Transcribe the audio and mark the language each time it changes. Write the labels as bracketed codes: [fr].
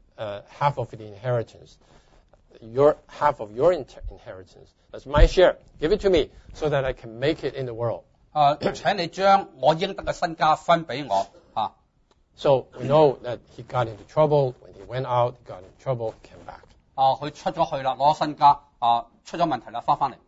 [en] gave me half of the inheritance. Half of your inheritance. That's my share. Give it to me so that I can make it in the world. [zh] 请你将我应得的身家分给我。 [en] So we know that he got into trouble when he went out, got in trouble, came back. [zh] 他出了去了,拿了身家,出了问题了,回来.